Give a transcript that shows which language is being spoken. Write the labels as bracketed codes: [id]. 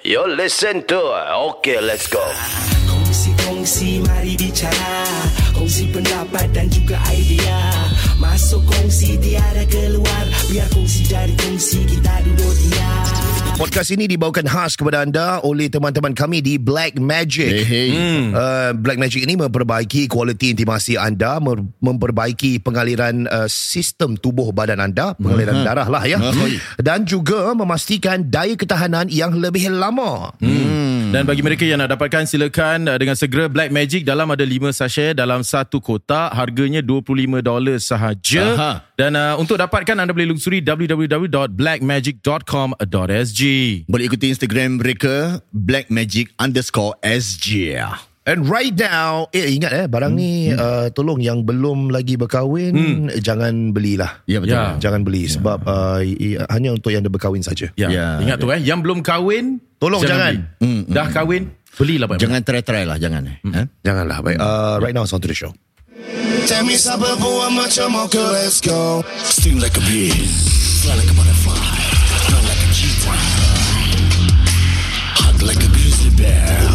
[en] You listen to okay, let's go. [ms] Kongsi-kongsi, mari bicara. Kongsi pendapat dan juga idea. Masuk kongsi, tiada keluar. Biar kongsi dari kongsi, kita duduk diam. Podcast ini dibawakan khas kepada anda oleh teman-teman kami di Black Magic. Black Magic ini memperbaiki kualiti intimasi anda, memperbaiki pengaliran sistem tubuh badan anda, pengaliran darah lah ya, dan juga memastikan daya ketahanan yang lebih lama. Dan bagi mereka yang nak dapatkan, silakan dengan segera Black Magic. Dalam ada 5 sachet dalam satu kotak, harganya $25 sahaja. Dan untuk dapatkan, anda boleh lungsuri www.blackmagic.com.sg. Boleh ikuti Instagram mereka, blackmagic_sg. [en] And right now, [ms] ingat barang ni, tolong yang belum lagi berkahwin, jangan belilah. Jangan beli, sebab hanya untuk yang dah berkahwin saja. Ingat tu, yang belum kahwin, tolong jangan. Dah kahwin, belilah. Jangan try-try lah, jangan. Janganlah, baik. [en] Right now, it's on to the show. Tell me [ms] siapa buat macam [en] okay, let's go. Sting like a bee, fly like a butterfly, run like a cheetah, hug like a grizzly bear.